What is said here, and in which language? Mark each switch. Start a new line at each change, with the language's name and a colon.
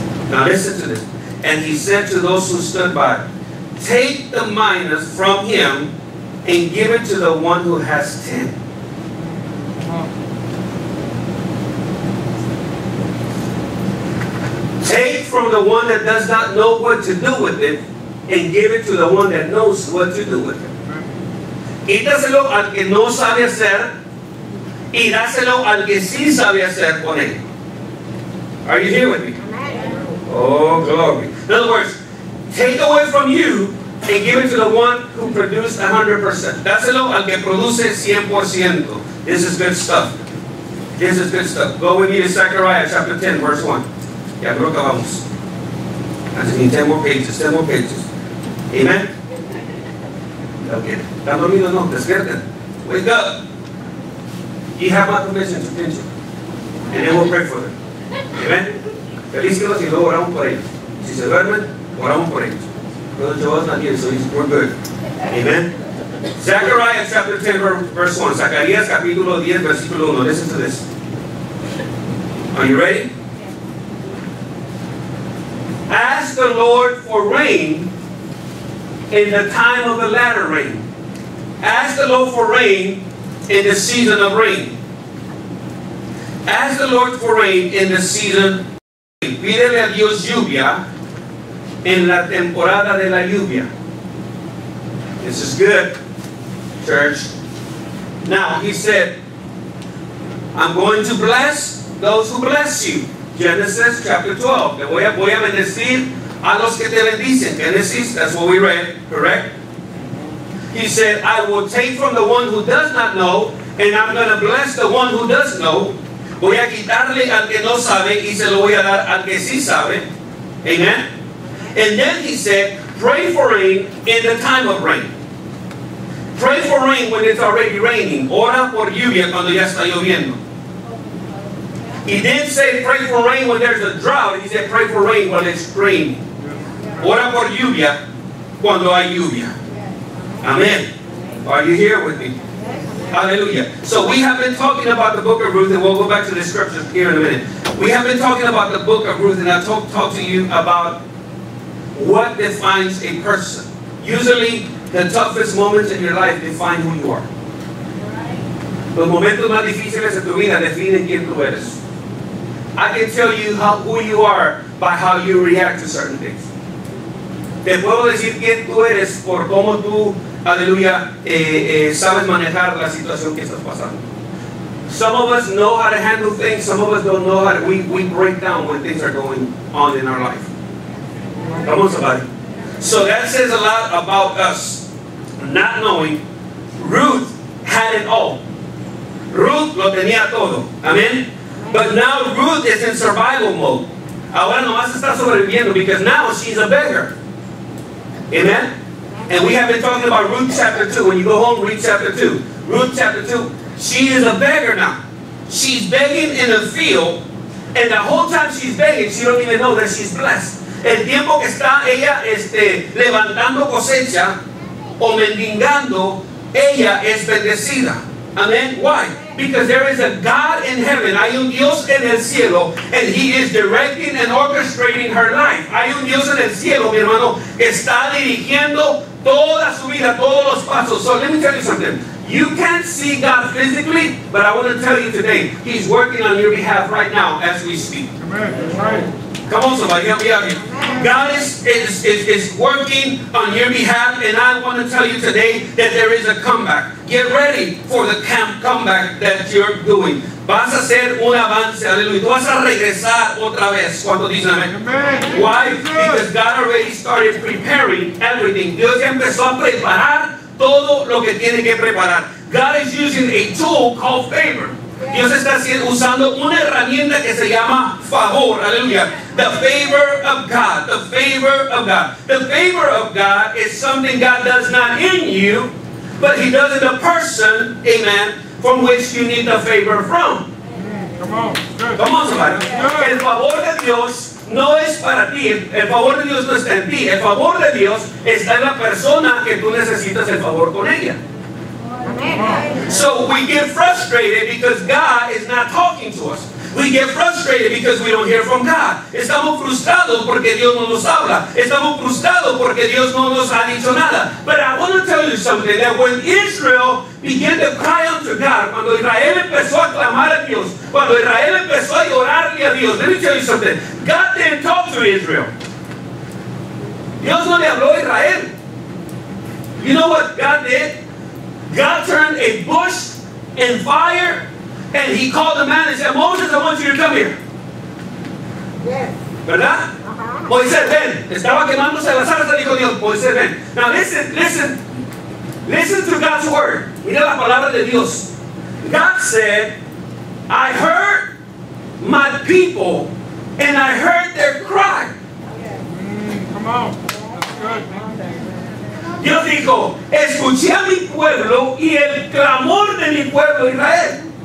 English: Now listen to this. And he said to those who stood by, Take the minus from him and give it to the one who has 10. Take from the one that does not know what to do with it and give it to the one that knows what to do with it.
Spanish: Quítaselo al que no sabe hacer y dáselo al que sí sabe hacer con él.
English: Are you here with me? Oh, glory. In other words, take away from you and give it to the one who produced 100%.
Spanish: Dáselo al que produce 100%.
English: This is good stuff. This is good stuff. Go with me to Zechariah chapter 10, verse 1.
Spanish: Ya creo que vamos. Así que
English: 10 more pages, 10 more pages. Amen. Okay.
Spanish: ¿Están dormidos? No, despierten.
English: Wake up. You have my permission to pinch you. And then we'll pray for them. Amen.
Spanish: Felicitos y luego oramos por ellos. Si se duermen, oramos por ellos.
English: Brother Joel's not here, so we're good. Amen. Zechariah chapter 10, verse 1.
Spanish: Zacarías capítulo 10, versículo 1.
English: Listen to this. Are you ready? Ask the Lord for rain in the time of the latter rain. Ask the Lord for rain in the season of rain. Ask the Lord for rain in the season of rain.
Spanish: Pídele a Dios lluvia en la temporada de la lluvia.
English: This is good, church. Now, he said, I'm going to bless those who bless you. Genesis chapter 12.
Spanish: Voy a bendecir a los que te bendicen.
English: Genesis, that's what we read, correct? He said, I will take from the one who does not know, and I'm going to bless the one who does know.
Spanish: Voy a quitarle al que no sabe, y se lo voy a dar al que sí sabe.
English: Amen? And then he said, pray for rain in the time of rain. Pray for rain when it's already raining.
Spanish: Ora por lluvia cuando ya está lloviendo.
English: He didn't say pray for rain when there's a drought. He said pray for rain when it's raining.
Spanish: Ora por lluvia cuando hay lluvia. Amen.
English: Are you here with me?
Spanish: Hallelujah.
English: So we have been talking about the book of Ruth, and we'll go back to the scriptures here in a minute. We have been talking about the book of Ruth, and I talk to you about what defines a person. Usually, the toughest moments in your life define who you are.
Spanish: Los momentos más difíciles de tu vida definen quién tú eres.
English: I can tell you who you are by how you react to certain things.
Spanish: Te puedo decir quién tú eres por cómo tú, aleluya, sabes manejar la situación que estás pasando.
English: Some of us know how to handle things. Some of us don't know how to. We break down when things are going on in our life. Come on, somebody. So that says a lot about us. Not knowing, Ruth had it all.
Spanish: Ruth lo tenía todo.
English: Amen. But now Ruth is in survival mode.
Spanish: Ahora nomás está sobreviviendo
English: because now she's a beggar. Amen? And we have been talking about Ruth chapter 2. When you go home, read chapter 2. Ruth chapter 2. She is a beggar now. She's begging in a field. And the whole time she's begging, she don't even know that she's blessed.
Spanish: El tiempo que está ella levantando cosecha o mendigando, ella es bendecida.
English: Amen? Why? Because there is a God in heaven.
Spanish: Hay un Dios en el cielo.
English: And he is directing and orchestrating her life.
Spanish: Hay un Dios en el cielo, mi hermano, que está dirigiendo toda su vida, todos los pasos.
English: So let me tell you something. You can't see God physically, but I want to tell you today, he's working on your behalf right now as we speak. Amen. Come on, somebody. Help me out here. God is working on your behalf, and I want to tell you today that there is a comeback. Get ready for the camp comeback that you're doing.
Spanish: Vas a hacer un avance, aleluya. Tú vas a regresar otra vez. ¿Cuánto dicen amén?
English: Why? Because God already started preparing everything.
Spanish: Dios empezó a preparar todo lo que tiene que preparar.
English: God is using a tool called favor.
Spanish: Dios está usando una herramienta que se llama favor, aleluya.
English: The favor of God, the favor of God. The favor of God is something God does not in you, but he does in a person, amen, from which you need the favor from. Come on, somebody.
Spanish: El favor de Dios no es para ti. El favor de Dios no está en ti. El favor de Dios está en la persona que tú necesitas el favor con ella.
English: So we get frustrated because God is not talking to us. We get frustrated because we don't hear from God.
Spanish: Estamos frustrados porque Dios no nos habla. Estamos frustrados porque Dios no nos ha dicho nada.
English: But I want to tell you something, that when Israel began to cry unto God,
Spanish: cuando Israel empezó a clamar a Dios,
English: cuando Israel empezó a llorarle a Dios, let me tell you something, God didn't talk to Israel.
Spanish: Dios no le habló a Israel.
English: You know what God did? God turned a bush in fire and he called the man and said, Moses, I want you to come here. Yes.
Spanish: ¿Verdad? Moisés, ven. Estaba quemándose la zarza, dijo Dios. Moisés, ven.
English: Now listen, listen. Listen to God's word.
Spanish: Mira la palabra de Dios.
English: God said, I heard my people and I heard their cry.
Spanish: Dios dijo, escuché a mi pueblo y el clamor de mi pueblo Israel.